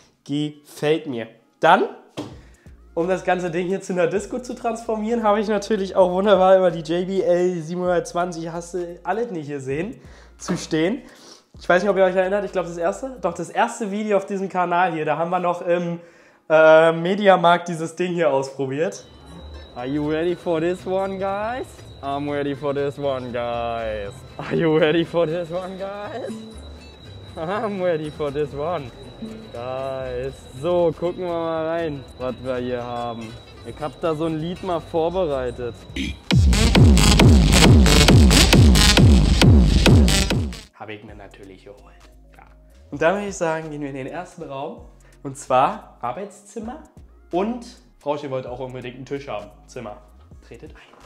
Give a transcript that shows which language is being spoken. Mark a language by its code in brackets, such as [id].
[de] Gefällt mir. Dann, um das ganze Ding hier zu einer Disco zu transformieren, habe ich natürlich auch wunderbar über die JBL 720, hast du alle nicht gesehen, zu stehen. Ich weiß nicht, ob ihr euch erinnert, ich glaube das erste. Doch, das erste Video auf diesem Kanal hier, da haben wir noch im Mediamarkt dieses Ding hier ausprobiert. [en] Are you ready for this one, guys? I'm ready for this one, guys. Are you ready for this one, guys? I'm ready for this one, guys. [de] So, gucken wir mal rein, was wir hier haben. Ich hab da so ein Lied mal vorbereitet. Hab ich mir natürlich geholt. Ja. Und dann würde ich sagen, gehen wir in den ersten Raum. Und zwar Arbeitszimmer und Frausche wollte auch unbedingt einen Tisch haben. Zimmer. Tretet ein.